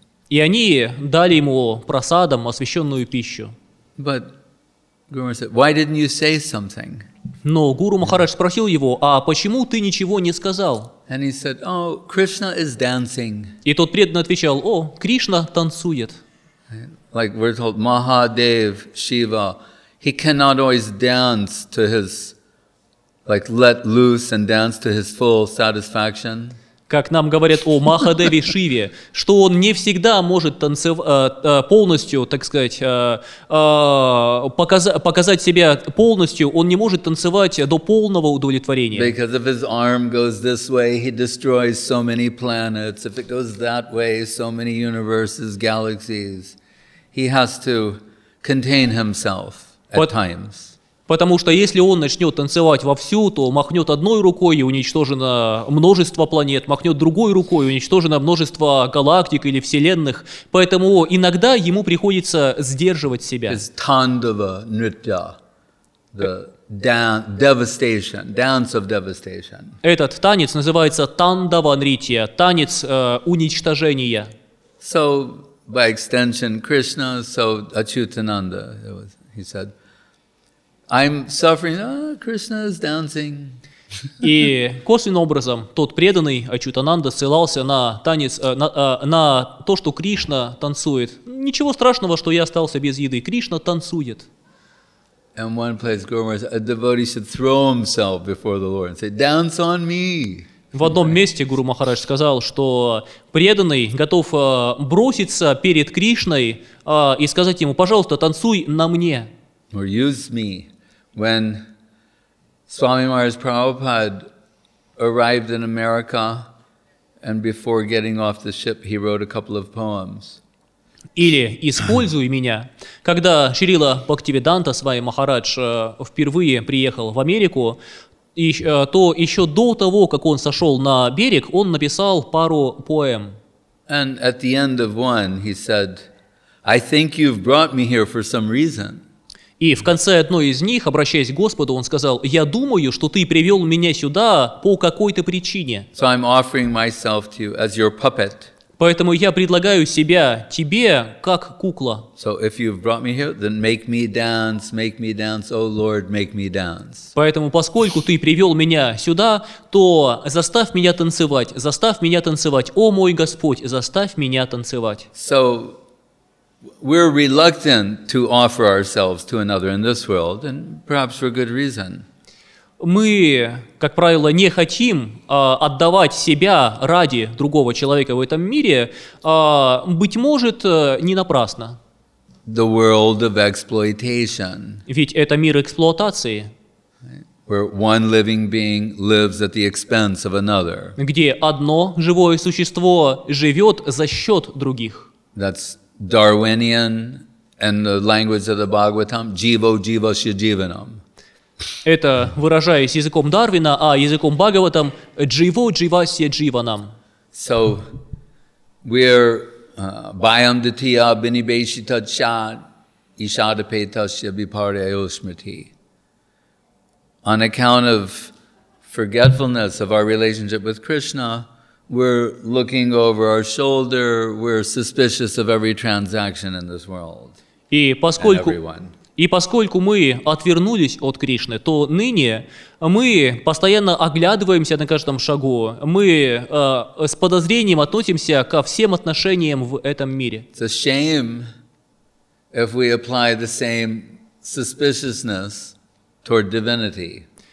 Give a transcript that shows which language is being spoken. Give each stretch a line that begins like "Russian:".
Russian: И они дали ему прасадам, освященную пищу.
English: But Guru Maharaj said, why didn't you say something?
Russian: Но Гуру Махарадж спросил его, а почему ты ничего не сказал?
English: And he said, oh, Krishna is dancing.
Russian: И тот преданный отвечал, о, Кришна танцует.
English: Like we're told, Mahadev, Shiva, he cannot always dance to his, like let loose and dance to his full satisfaction.
Russian: как нам говорят о Махадеве Шиве, что он не всегда может полностью, так сказать, показать себя полностью, он не может танцевать до полного удовлетворения.
English: Because if his arm goes this way, he destroys so many planets. If it goes that way, so many universes, galaxies. He has to contain himself at times.
Russian: Потому что если он начнет танцевать вовсю, то махнет одной рукой и уничтожено множество планет, махнет другой рукой и уничтожено множество галактик или вселенных. Поэтому иногда ему приходится сдерживать себя.
English: It's tandava nritya, the devastation, dance of devastation.
Russian: Этот танец называется тандава нритья, танец уничтожения.
English: So, by extension, Krishna, so Achyutananda, he said, I'm suffering. Krishna is dancing.
Russian: И косвенным образом тот преданный Ачютананда ссылался на танец, на то, что Кришна танцует. Ничего страшного, что я остался без еды. Кришна танцует.
English: And one place Guru Maharaj said, a devotee should throw himself before the Lord and say, dance on me.
Russian: В одном месте Гуру Махарадж сказал, что преданный готов броситься перед Кришной и сказать ему, пожалуйста, танцуй на мне.
English: Or use me. When Swami Maharaj Prabhupada arrived in America, and before getting off the ship, he wrote a couple of poems.
Russian: Или используй меня. Когда Шрила Бхактивиданта Свами Махарадж впервые приехал в Америку, то еще до того, как он сошел на берег, он написал пару поэм.
English: And at the end of one, he said, "I think you've brought me here for some reason."
Russian: И в конце одной из них, обращаясь к Господу, он сказал, «Я думаю, что ты привел меня сюда по какой-то причине».
English: So I'm offering myself to you as your puppet.
Russian: Поэтому я предлагаю себя тебе как кукла.
English: So if you've brought me here, then make me dance, oh Lord, make me dance.
Russian: Поэтому поскольку ты привел меня сюда, то заставь меня танцевать, заставь меня танцевать. О мой Господь, заставь меня танцевать.
English: So we're reluctant to offer ourselves to another in this world, and perhaps for good reason.
Russian: Мы, как правило, не хотим отдавать себя ради другого человека в этом мире, быть может, не напрасно.
English: The world of exploitation.
Russian: Ведь это мир эксплуатации.
English: Where one living being lives at the expense of another.
Russian: Где одно живое существо живет за счет других.
English: That's Darwinian and the language of the Bhagavatam,
Sanskrit: jivo jiva shijivanam.
Russian: Это выражаясь языком Дарвина, а языком Бхагаватам
Sanskrit: jivo jiva shijivanam.
English: So we're
Sanskrit: bhayamditiya binibeshita chat ishadapetasya bipareyo smriti.
English: On account of forgetfulness of our relationship with Krishna, we're looking over our shoulder, we're suspicious of every transaction in this world.
Russian: И поскольку мы отвернулись от Кришны, то ныне мы постоянно оглядываемся на каждом шагу, мы с подозрением относимся ко всем отношениям в этом мире.
English: It's a shame if we apply the same suspiciousness toward divinity.